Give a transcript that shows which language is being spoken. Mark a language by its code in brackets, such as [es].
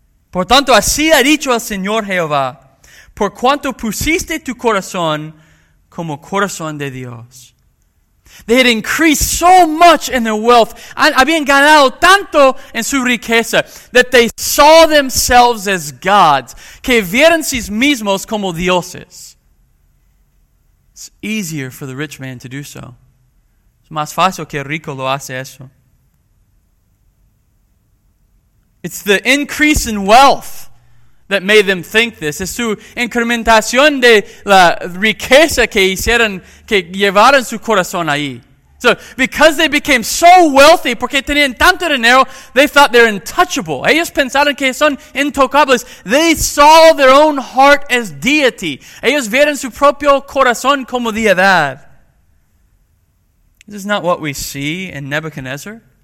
[es] Por tanto, así ha dicho el Señor Jehová, por cuanto pusiste tu corazón como corazón de Dios. [en] They had increased so much in their wealth, [es] habían ganado tanto en su riqueza, [en] that they saw themselves as gods, [es] que vieron sí mismos como dioses. [en] It's easier for the rich man to do so. [es] Es más fácil que el rico lo hace eso. [en] It's the increase in wealth that made them think this. [es] Es su incrementación de la riqueza que hicieron, que llevaron su corazón ahí. [en] So, because they became so wealthy, [es] porque tenían tanto dinero, [en] they thought they're untouchable. [es] Ellos pensaron que son intocables. [en] They saw their own heart as deity. [es] Ellos vieron su propio corazón como deidad. [en] This is not what we see in Nebuchadnezzar.